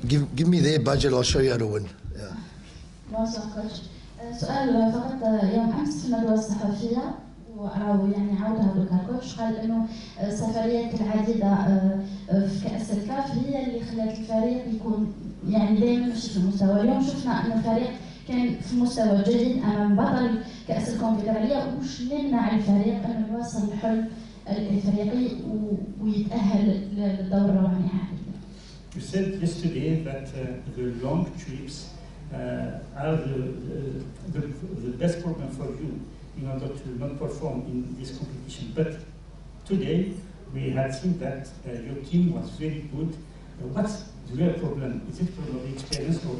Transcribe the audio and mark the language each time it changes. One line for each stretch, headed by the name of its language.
English: Give me their budget, I'll show you how to win. Yeah.
Arabic: سؤال فقط يوم أمس في الندوة الصحفية أو يعني عودة لكركوش قال إنه سفريات العديدة في كأس الكاف هي اللي خلت الفريق يكون يعني دائما مشي في المستوى. اليوم شفنا أن الفريق كان في مستوى جيد أمام بطل كأس الكونفدرالية وش لنا على الفريق إنه يوصل الحلم الإفريقي ويتأهل للدور الرابع نهائي.
English: You said yesterday that the long trips are the best problem for you in order to not perform in this competition. But today we had seen that your team was very good. What's the real problem? Is it problem of experience or?